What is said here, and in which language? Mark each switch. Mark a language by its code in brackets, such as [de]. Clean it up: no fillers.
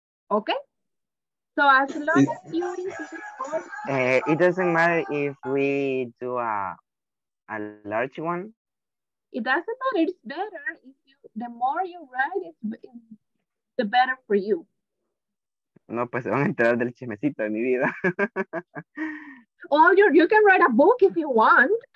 [en] Okay? So as long as you It doesn't matter if we do a large one. It doesn't matter. It's better if you, the more you write, it's the better for you. [es] No, pues se van a enterar del chismecito de mi vida. [en] Or you can write a book if you want.